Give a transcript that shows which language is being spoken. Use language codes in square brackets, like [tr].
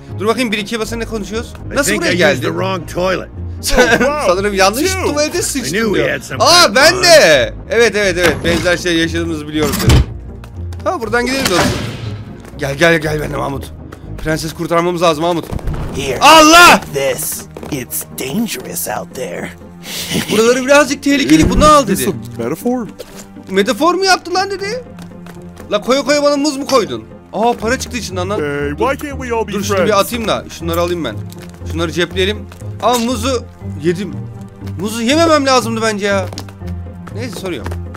[tr] Dur bakayım, 1-2'ye basın ne konuşuyoruz? Nasıl buraya geldi? Sanırım yanlış tuvalete sıçtım diyor. Aa, ben de. Evet evet evet, benzer şey yaşadığımızı biliyoruz dedim. Tamam, buradan gidelim dostum. Gel gel gel benim Mahmut. Prenses kurtarmamız lazım Mahmut. Allah! [en] It's dangerous out there. [tr] Buraları birazcık tehlikeli, bunu al dedi. Metafor. Metafor mu yaptın lan dedi? La koyu koyu bana muz mu koydun? Aa, para çıktı içinden lan. Dur şunu bir atayım da, şunları alayım ben. Şunları cepleyelim. Ama muzu yedim. Muzu yememem lazımdı bence ya. Neyse soruyorum.